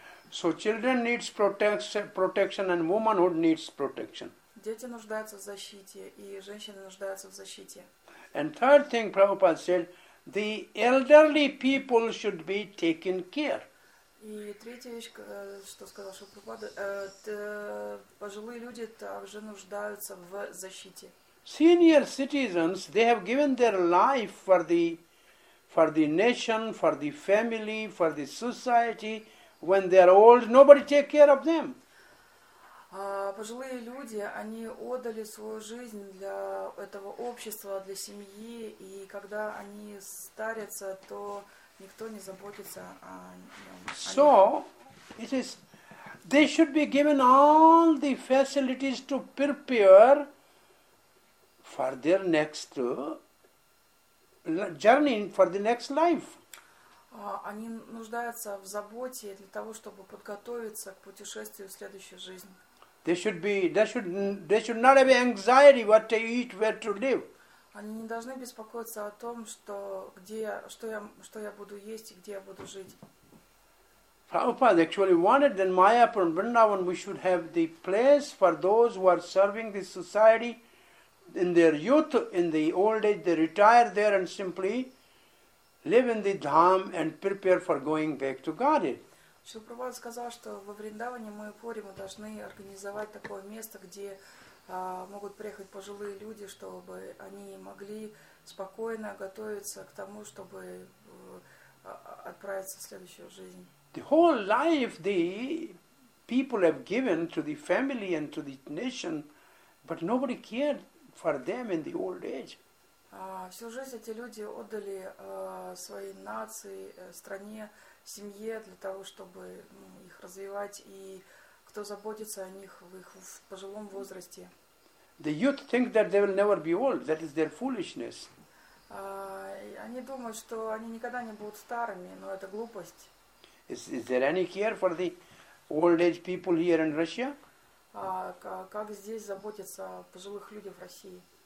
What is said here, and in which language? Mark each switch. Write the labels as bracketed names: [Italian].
[English] So children needs protection and womanhood needs protection. [Russian] Дети нуждаются в защите и женщины нуждаются в защите. [English] And third thing Prabhupada said, the elderly people should be taken care. [Russian] И третья вещь, что сказал Шрила Прабхупада, пожилые люди также нуждаются в защите. [English] Senior citizens, they have given their life for the for the nation, for the family, for the society, when they are old, nobody take care of them. [Russian] Пожилые люди, они отдали свою жизнь для этого общества, для семьи, и когда они старятся, то никто не заботится о нём. [English] So, it is, they should be given all the facilities to prepare for their next journey, for the next life. [Russian] Они нуждаются в заботе для того, чтобы подготовиться к путешествию в следующую жизнь. [English] They should not have anxiety what to eat, where to live. [Russian] Они не должны беспокоиться о том, что где я, что я буду есть и где я буду жить. [English] Prabhupada actually wanted that Mayapur and Vrindavan we should have the place for those who are serving the society in their youth, in the old age, they retire there and simply live in the dham and prepare for going back to Godhead. [Russian] Шрила Прабхупада сказал, что во Вриндаване Майяпуре мы должны организовать такое место, где могут приехать пожилые люди, чтобы они могли спокойно готовиться к тому, чтобы отправиться в следующую жизнь. [English] The whole life the people have given to the family and to the nation, but nobody cared for them in the old age. [Russian] Всю жизнь эти люди отдали своей нации, стране, семье для того, чтобы их развивать, и кто заботится о них в их в пожилом возрасте. [English] The youth think that they will never be old. That is their foolishness. [Russian] Они думают, что они никогда не будут старыми, но это глупость. [English] Is there any care for the old age people here in Russia? [Russian] Как здесь заботиться о пожилых людях в России?